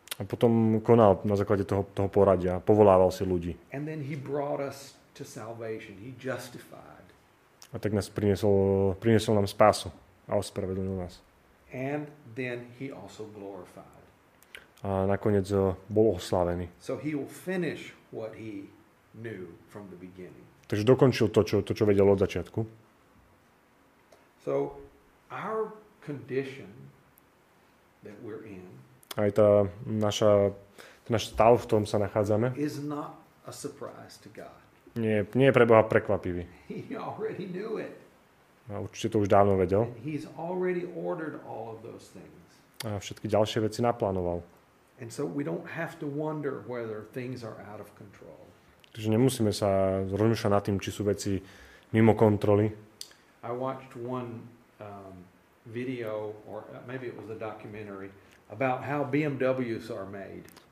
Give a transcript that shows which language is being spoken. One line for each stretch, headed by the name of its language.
Slovak: A potom konal na základe toho poradia, povolával si ľudí.
English: And then he brought us to salvation. He justified.
Slovak: A tak nás priniesol nám spásu a ospravedlnil nás.
English: And then he also glorified.
Slovak: A nakoniec bol oslavený.
English: So he will finish what he knew from the beginning.
Slovak: Takže dokončil to, čo vedel od začiatku.
English: So our condition that we're in.
Slovak: Aj tá náš stav, v ktorom sa nachádzame.
English: Is not a surprise to God.
Slovak: Nie je pre Boha prekvapivý.
English: He already knew it.
Slovak: A určite to už dávno vedel.
English: And he's already ordered all of those things.
Slovak: A všetky ďalšie veci naplánoval.
English: And so we don't have to wonder whether things are out of control.
Slovak: Takže nemusíme sa rozmýšľať nad tým, či sú veci mimo kontroly.
English: I watched one video, or maybe it was a documentary, about how BMWs are made.